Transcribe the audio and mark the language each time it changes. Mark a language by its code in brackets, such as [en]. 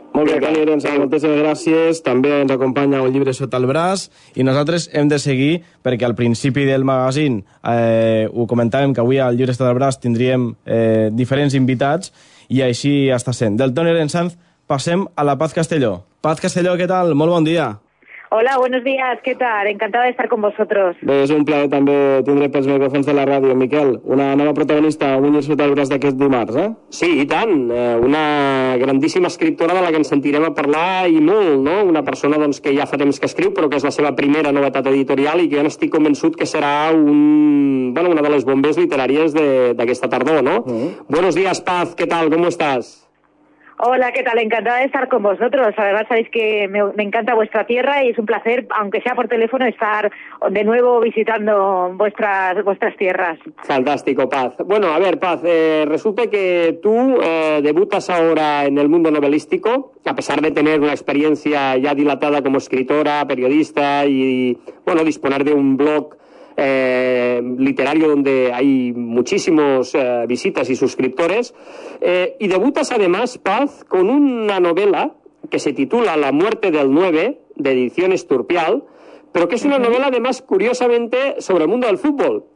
[ca] Molt bé, Toni Orensans, moltes gràcies. També ens acompanya un llibre sota el braç i nosaltres hem de seguir perquè al principi del magazín ho comentàvem que avui al llibre sota el braç tindríem diferents invitats i així està sent. Del Toni Orensans passem a la Paz Castelló. Paz Castelló, què tal? Molt bon dia. [es] Hola, buenos días, ¿qué tal? Encantada de estar con vosotros. [ca] Bé, és un plaer també tindre pels microfons de la ràdio, Miquel. Una nova protagonista, un llibre sota el braç d'aquest dimarts, eh? Sí, i tant. Una grandíssima escriptora de la que ens sentirem a parlar i molt, no? Una persona doncs, que ja fa temps que escriu, però que és la seva primera novetat editorial i que jo n'estic convençut que serà una de les bombes literàries d'aquesta tardor, no? [es] Mm. Buenos días, Paz, ¿qué tal? ¿Cómo estás? Hola, ¿qué tal? Encantada de estar con vosotros. Además, sabéis que me encanta vuestra tierra y es un placer, aunque sea por teléfono, estar de nuevo visitando vuestras tierras. Fantástico, Paz. Bueno, a ver, Paz, resulta que tú debutas ahora en el mundo novelístico, a pesar de tener una experiencia ya dilatada como escritora, periodista y, bueno, disponer de un blog literario donde hay muchísimos visitas y suscriptores, y debutas además, Paz, con una novela que se titula La muerte del 9, de Ediciones Turpial, pero que es una novela además curiosamente sobre el mundo del fútbol.